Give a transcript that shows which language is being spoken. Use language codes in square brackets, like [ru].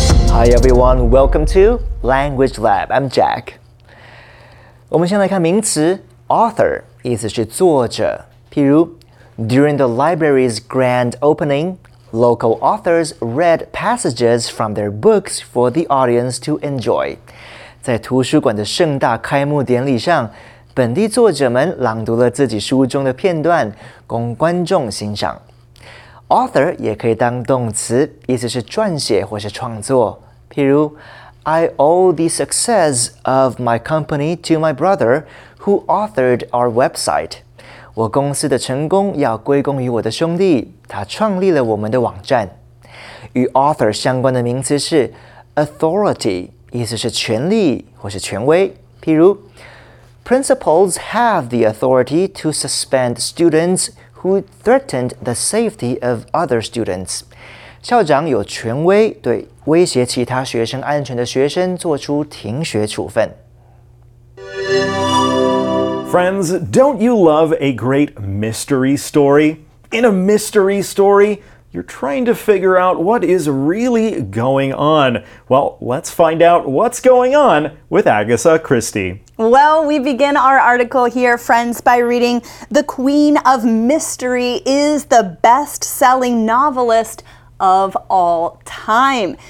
[en] Hi everyone, welcome to Language Lab. I'm Jack. [zh] 我们先来看名词 author, 意思是作者。譬如 [en] during the library's grand opening, local authors read passages from their books for the audience to enjoy. [zh] 在图书馆的盛大开幕典礼上，本地作者们朗读了自己书中的片段，供观众欣赏。 Author 也可以当动词，意思是撰写或是创作。譬如 [en] I owe the success of my company to my brother who authored our website. [zh] 我公司的成功要归功于我的兄弟，他创立了我们的网站。与 author 相关的名词是 authority, 意思是权力或是权威。譬如 [en] Principals have the authority to suspend students who threatened the safety of other students. [zh] 校长有权威对威胁其他学生安全的学生做出停学处分。 [en] Friends, don't you love a great mystery story? In a mystery story, you're trying to figure out what is really going on. Well, let's find out what's going on with Agatha Christie. Well, we begin our article here, friends, by reading, The Queen of Mystery is the best-selling novelist,of all time.